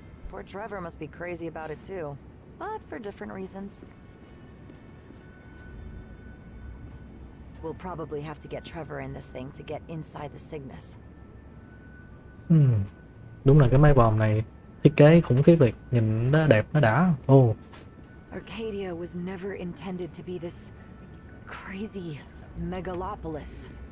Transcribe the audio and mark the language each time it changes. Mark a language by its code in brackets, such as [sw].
[en] Poor Trevor must be crazy about it too. But for different reasons. We'll probably have to get Trevor in this thing to get inside the Cygnus. [vi] Đúng là cái máy vòm này thiết kế khủng khiếp liệt, nhìn nó đẹp nó đã. [en] Arcadia was never intended to be this crazy megalopolis.